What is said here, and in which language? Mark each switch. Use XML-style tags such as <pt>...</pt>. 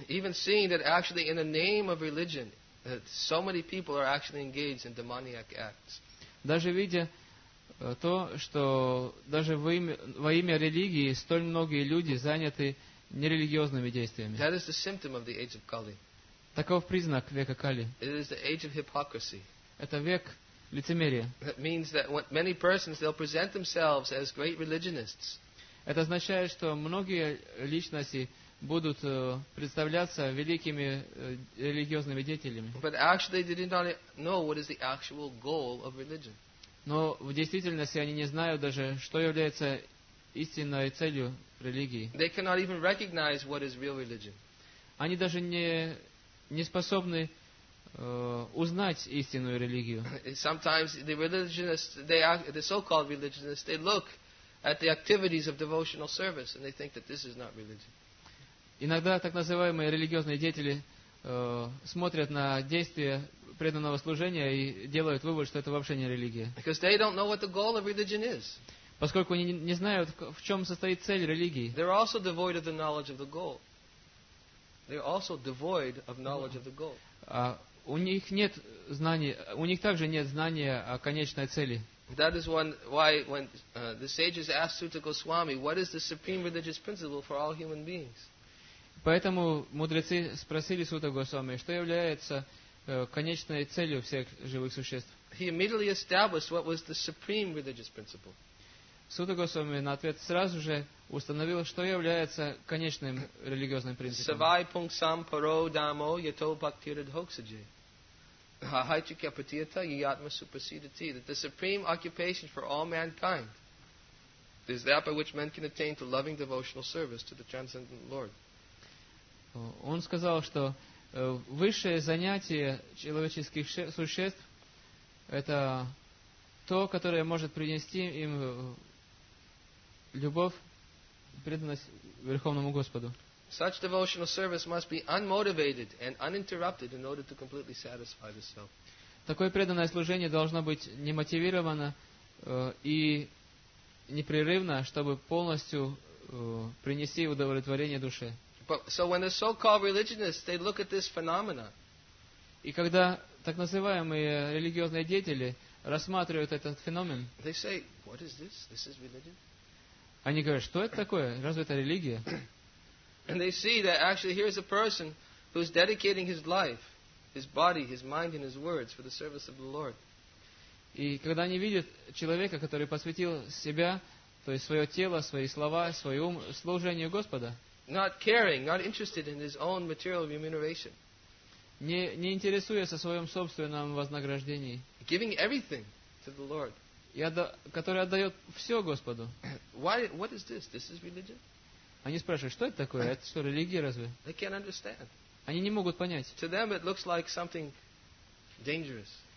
<en>Even seeing that actually in the name of religion, that so many people are actually engaged in demoniac acts.</en> <ru>Даже видя то, что даже во имя религии столь многие люди заняты нерелигиозными действиями.</ru> <en>That is the symptom of the age of Kali.</en> <ru>Таков признак века Кали.</ru> <en>It is the age of hypocrisy.</en> <ru>Это век лицемерия.</ru> <en>That means that many persons, they'll present themselves as great religionists.</en> <ru>Это означает, что многие личности будут представляться великими религиозными деятелями.</ru> <en>But actually they did not know what is the actual goal of religion.</en> <ru>Но в действительности они не знают даже, что является истинной целью религии.</ru> <en>They cannot even recognize what is real religion.</en> <ru>Они даже не способны узнать истинную религию.</ru> <en>Sometimes the religionists, the so-called religionists, they look at the activities of devotional service and they think that this is not religion.</en> <ru>Иногда так называемые религиозные деятели смотрят на действия преданного служения и делают вывод, что это вообще не религия.</ru> <en>Because they don't know what the goal of religion is.</en> <ru>Поскольку они не знают, в чем состоит цель религии.</ru> <en>They're also devoid of the knowledge of the goal. They're also devoid of knowledge of the goal.</en> <ru>У них нет знания, у них также нет знания о конечной цели.</ru> <en>That is why when the sages asked Sutta Goswami, what is the supreme religious principle for all human beings?</en> <ru>Поэтому мудрецы спросили Сутта Госвами, что является конечной целью всех живых существ.</ru> <en>He immediately established what was the supreme religious principle.</en> <ru>Сутта Госвами на ответ сразу же установил, что является конечным религиозным принципом.</ru> <sa>Савай пунксам паро дамо ято бхактирадхоксаджи. Хайчи кепатията ийатма суперсидати.</sa> <en>That the supreme occupation for all mankind is that by which men can attain to loving devotional service to the transcendent Lord.</en> <ru>Он сказал, что высшее занятие человеческих существ это то, которое может принести им любовь, преданность Верховному Господу.</ru> <en>Such devotional service must be unmotivated and uninterrupted in order to completely satisfy the self.</en> <ru>Такое преданное служение должно быть немотивировано и непрерывно, чтобы полностью принести удовлетворение душе.</ru> <en>So when the so-called religionists, they look at this phenomena.</en> <ru>И когда так называемые религиозные деятели рассматривают этот феномен,</ru> <en>they say, what is this? This is religion.</en> <ru>Они говорят, что это такое? Разве это религия?</ru> <en>And they see that actually here is a person who is dedicating his life, his body, his mind and his words for the service of the Lord.</en> <ru>И когда они видят человека, который посвятил себя, то есть свое тело, свои слова, свой ум служению Господа,</ru> <en>not caring, not interested in his own material remuneration.</en> <ru>Не интересуясь о своем собственном вознаграждении.</ru> <en>Giving everything to the Lord.</en> <ru>Который отдает все Господу.</ru> <en>Why, what is this? This is religion?</en> <ru>Они спрашивают, что это такое? Это что, религия разве?</ru> <en>They can't understand.</en> <ru>Они не могут понять.</ru> <en>To them it looks like something dangerous.</en>